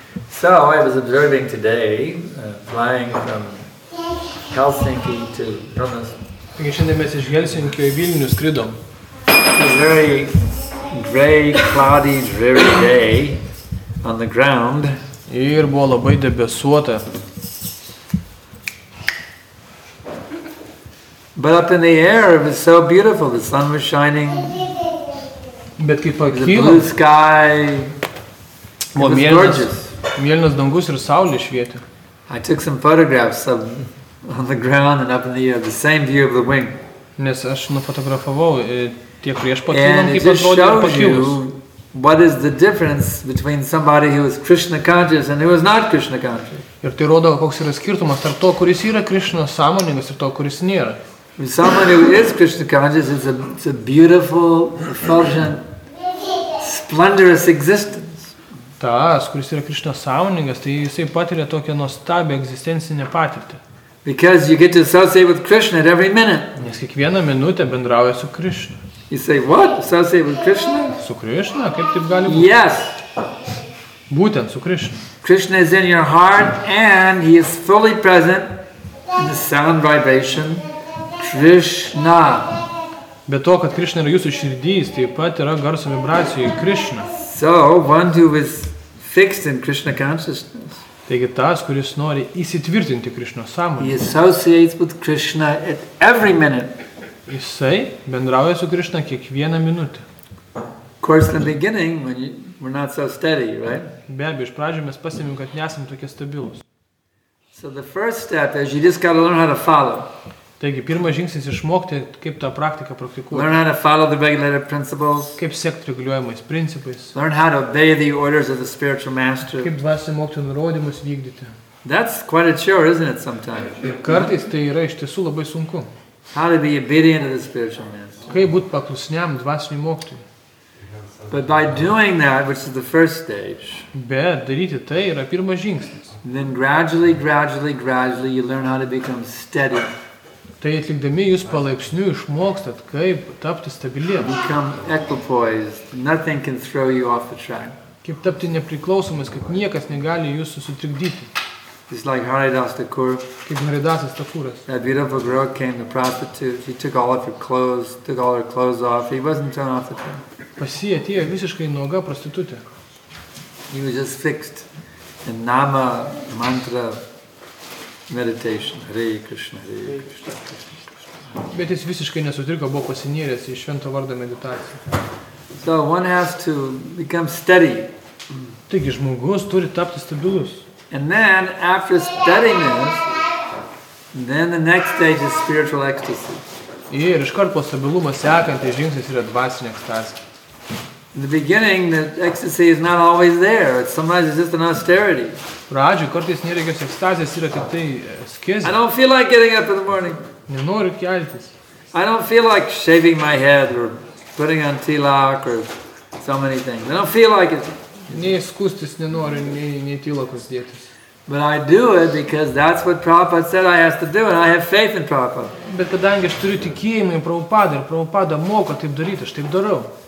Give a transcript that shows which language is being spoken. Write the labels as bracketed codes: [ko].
[en] So I was observing today, flying from Helsinki to Vilnius. [lt] Taigi šiandien mes iš Helsinkio į Vilnių skridom. [en] A very gray, cloudy, dreary day on the ground. [lt] Ir buvo labai debesuota. [en] But up in the air it was so beautiful. The sun was shining. [lt] Bet kaip pakilo. [en] The blue sky. [lt] Buvo mėlynas. Mėlynas dangus ir saulė švietė. [en] I took some photographs of on the ground and up in the air, the same view of the wing. [lt] Nes aš nufotografavau tiek prieš pakilant, kaip atrodė ir pakilus. [en] What is the difference between somebody who is Krishna conscious and who is not Krishna conscious? [lt] Ir tai rodo, koks yra skirtumas tarp to, kuris yra Krishna sąmoningas ir to, kuris nėra. [en] With someone who is Krishna conscious, it's a beautiful, effulgent, splendorous existence. [lt] Tas, kuris yra Krishna sąmoningas, tai jisai patiria tokią nuostabią egzistencinę patirtį. [en] Because you get to associate with Krishna at every minute. [lt] Nes kiekvieną minutę bendrauja su Krishna. [en] You say, what? Associate with Krishna? [lt] Su Krishna? Kaip taip gali būti? [en] Yes. [lt] Būtent su Krishna. [en] Krishna is in your heart and he is fully present in the sound vibration Krishna. [lt] Be to, kad Krishna yra jūsų širdys, taip pat yra garso vibracijoje Krishna. [en] So, one who is fixed in Krishna consciousness. [lt] Taigi tas, kuris nori įsitvirtinti Krishna sąmonėje. [en] He associates with Krishna at every minute. [lt] Jisai bendrauja su Krishna kiekvieną minutę. [en] Of course, in the beginning, when we're not so steady, right? [lt] Be abejo, iš pradžių mes pasimim, kad nesam tokie stabilūs. [en] So the first step is you just got to learn how to follow. [lt] Taigi, pirmas žingsnis išmokti, kaip tą praktiką praktikuoti. [en] Learn how to follow the regulated principles. [lt] Kaip sekti reguliuojamais principais. [en] Learn how to obey the orders of the spiritual master. [lt] Kaip dvasinių mokytojų nurodymus vykdyti. [en] That's quite a chore, isn't it, sometimes? [lt] Ir kartais tai yra iš tiesų labai sunku. [en] How to be obedient to the spiritual master. [lt] Kaip būti paklusniam dvasinių mokytojų. [en] But by doing that, which is the first stage, [lt] bet daryti tai yra pirmas žingsnis. [en] Then gradually you learn how to become steady. [lt] Tai atlikdami jūs palaipsniui išmokstat, kaip tapti stabiliems. [en] Become equipoised. Nothing can throw you off the track. [lt] Kaip tapti nepriklausomas, kad niekas negali jūsų sutrikdyti. [en] It's like Haridas Thakur. [lt] Kaip Haridasas Thakuras. [en] That beautiful girl came to prostitute. He took all of her clothes, took all her clothes off. He wasn't thrown off the track. [lt] Pas jį atėjo visiškai nuoga prostitutė. [en] He was just fixed in Nama mantra meditation. [sa] Hare Krishna, Hare Krishna. [lt] Bet jis visiškai nesutriko, buvo pasinėręs į švento vardą meditaciją. [en] So one has to become steady. [lt] Taigi žmogus turi tapti stabilus. [en] And then after steadiness, then the next stage is spiritual ecstasy. [lt] Ir iškart po stabilumo sekantis žingsnis yra dvasinė ekstazė. [en] In the beginning, the ecstasy is not always there. Sometimes it's just an austerity. [lt] Pradžiui, kartais nereikės ekstazės, yra tik tai skizė. [en] I don't feel like getting up in the morning. [lt] Nenoriu keltis. [en] I don't feel like shaving my head or putting on tilak or so many things. I don't feel like it. [lt] Nei skustis nenoriu, nei tilakus dėtis. [en] But I do it because that's what Prabhupada said I have to do and I have faith in Prabhupada. [lt] Bet kadangi aš turiu tikėjimą į Prabhupada ir Prabhupada moko taip daryti, aš taip darau.